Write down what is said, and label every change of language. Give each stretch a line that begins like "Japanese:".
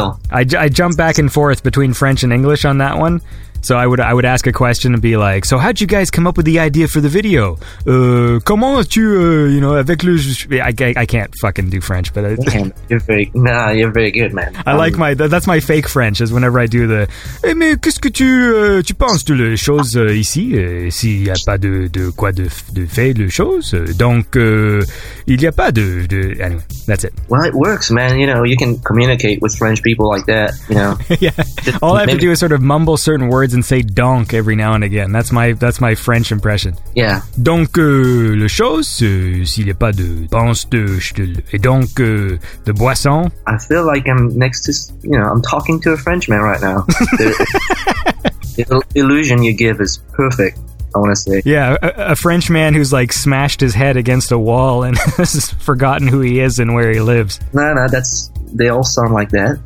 English: I jump back and forth between French and English on that one. So I would ask a question and be like, so how'd you guys come up with the idea for the video?
French: Comment tu,
English: you know,
French: avec le...
English: I can't fucking do French, but... you're very good, man. I like my... That's my fake French, is whenever I do the...
French: Hey, mais qu'est-ce que tu penses de les choses ici? S'il n'y a pas de quoi de faire les choses? Donc, il n'y a pas de...
English: Anyway, that's it. Well, it works, man. You know, you can communicate with French people like that, you know. Yeah. All I have to do is sort of mumble certain words and say donc every now and again. That's my French impression. Yeah.
French: Donc, le chose, s'il n'y a pas de pense de ch'tel, et donc, de boisson.
English: I feel like I'm next to, you know, I'm talking to a Frenchman right now. The illusion you give is perfect, I want to say. Yeah, a Frenchman who's like smashed his head against a wall and has forgotten who he is and where he lives. No, that's, they all sound like that.